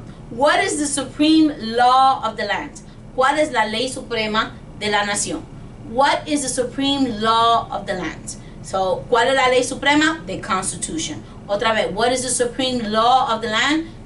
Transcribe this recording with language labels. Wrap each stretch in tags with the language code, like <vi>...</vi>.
<en>What is the supreme law of the land?</en> <es>¿Cuál es la ley suprema de la nación?</es> <en>What is the supreme law of the land? So,</en> <es>¿cuál es la ley suprema?</es> <en>The Constitution.</en> <es>Otra vez,</es> <en>what is the supreme law of the land?</en>